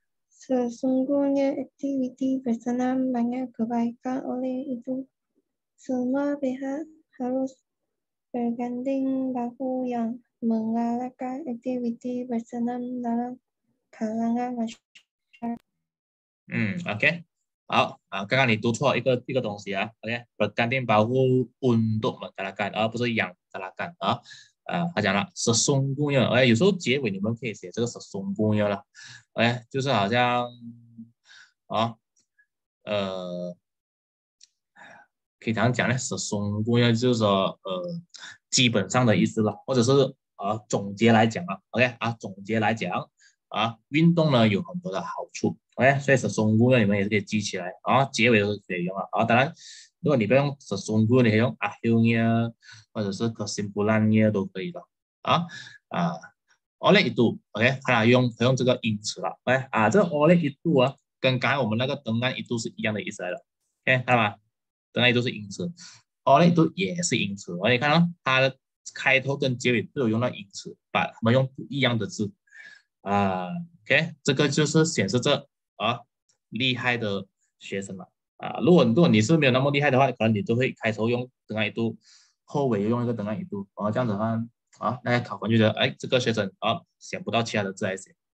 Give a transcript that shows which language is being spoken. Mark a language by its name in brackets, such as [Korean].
[Malay] Sesungguhnya aktiviti bersenam banyak kebaikan oleh itu semua pihak harus berganding bahu yang menggalakkan aktiviti bersenam dalam kalangan masyarakat. [Chinese] OK， 好啊，刚刚你读错一个东西啊。 OK， [Malay] berganding bahu untuk menggalakkan， [Chinese] 而不是 [Malay] yang menggalakkan [Chinese] 啊。他讲了 [Malay] sesungguhnya， [Chinese] 哎，有时候结尾你们可以写这个 sesungguhnya 了。哎，就是好像啊，可以这样讲呢 ， [Malay] sesungguhnya [Chinese] 就是说基本上的意思了，或者是。总结来讲啊 ，OK 啊，总结来讲啊，运动呢有很多的好处 ，OK， 所以是松姑呢，你们也是可以记起来啊，结尾都是可以用了啊。当然，如果你不用说中国，你可以用 [Malay] akhirnya [Chinese] 或者是 [Malay] kesimpulannya [Chinese] 都可以的。 [Malay] oleh itu， [Chinese] OK， 它用这个因此了。哎，啊，这个 oleh itu 啊，跟刚才我们那个 [Malay] dengan itu [Chinese] 是一样的意思来的。 OK， 看到吗？ [Malay] dengan itu [Chinese] 是因此， [Malay] oleh itu [Chinese] 也是因此。 OK， 看到它的开头跟结尾都有用到因此，把它们用一样的字。 OK， 这个就是显示这啊厉害的学生了。如果你是没有那么厉害的话，可能你都会开头用等安一度，后尾用一个等安一度，然后这样子的话，那些考官就觉得，哎，这个学生想不到其他的字来写